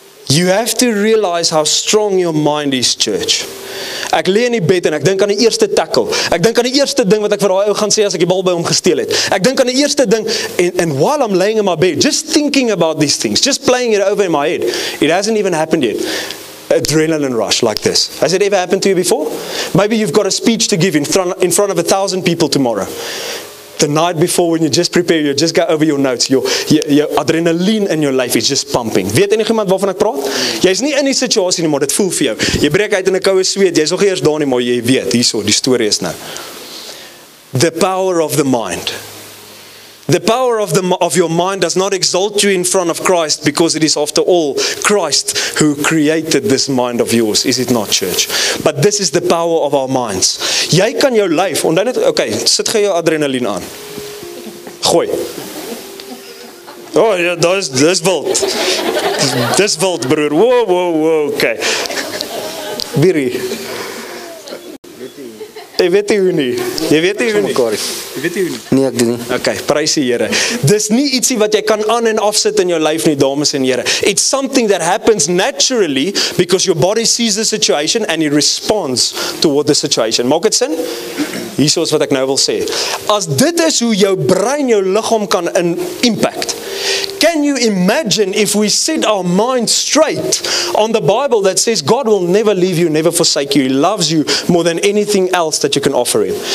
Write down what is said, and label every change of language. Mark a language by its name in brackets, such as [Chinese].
[English] You have to realize how strong your mind is, church. [Afrikaans] Ek lê in die bed en ek dink aan die eerste tackle. Ek dink aan die eerste ding wat ek vir daai ou gaan sê as ek die bal by hom gesteel het. Ek dink aan die eerste ding [English] and while I'm laying in my bed, just thinking about these things, just playing it over in my head. It hasn't even happened yet. Adrenaline rush like this. Has it ever happened to you before? Maybe you've got a speech to give in front of 1,000 people tomorrow. the night before when you just prepare, you just go over your notes, your adrenaline in your life is just pumping. [Afrikaans] Weet enigiemand waarvan ek praat? Jy is nie in die situasie nie, maar dit voel vir jou. Jy breek uit in 'n koue sweet, jy is nog eers daar nie, maar jy weet, hierso, die story is nou. [English] The power of the mind. The power of your mind does not exalt you in front of Christ, because it is after all Christ who created this mind of yours, is it not, church? But this is the power of our minds. [Afrikaans] Jy kan jou lyf, onthou net, okay, sit gee jou adrenaline aan. Gooi. Oh, ja, dis wild. Dis wild, broer. Whoa, whoa, whoa, okay. Biri. Jy weet nie hoe nie. Nee, ek doen nie. Okay, prys die Here. Dis nie ietsie wat jy kan aan en af sit in jou lyf nie, dames en here. [English] It's something that happens naturally because your body sees the situation and it responds toward the situation. [Afrikaans] Maak dit sin? Hierso is wat ek nou wil sê. As dit is hoe jou brein jou liggaam kan in impact. [English] Can you imagine if we set our mind straight on the Bible that says God will never leave you, never forsake you. He loves you more than anything else that you can offer him.